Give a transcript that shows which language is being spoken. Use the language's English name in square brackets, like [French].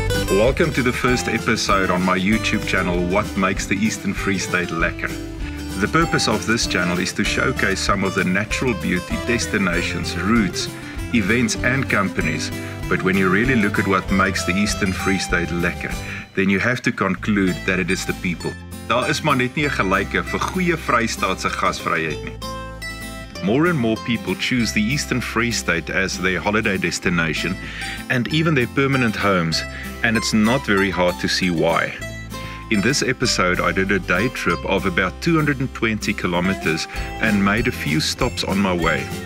[English] Welcome to the first episode on my YouTube channel, What Makes the Eastern Free State Lekker. The purpose of this channel is to showcase some of the natural beauty, destinations, routes, events and companies. But when you really look at what makes the Eastern Free State lekker, then you have to conclude that it is the people. [Afrikaans] Daar is maar net nie 'n gelyke vir goeie Vrystaatse gasvryheid nie. [English] More and more people choose the Eastern Free State as their holiday destination and even their permanent homes, and it's not very hard to see why. In this episode, I did a day trip of about 220 kilometers and made a few stops on my way.